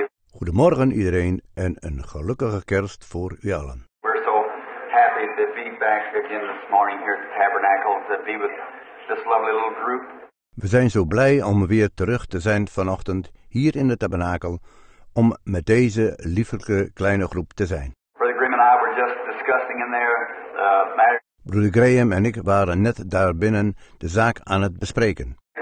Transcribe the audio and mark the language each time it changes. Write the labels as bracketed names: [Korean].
[Dutch] Goedemorgen iedereen en een gelukkige kerst voor u allen. [English] We're so happy to be back again this morning here at the Tabernacle to be with this lovely little group. [Dutch] We zijn zo blij om weer terug te zijn vanochtend hier in de Tabernacle om met deze lieflijke kleine groep te zijn. [English] Brother Graham and I were just discussing in there matter. [Dutch] Broeder Graham en ik waren net daar binnen de zaak aan het bespreken.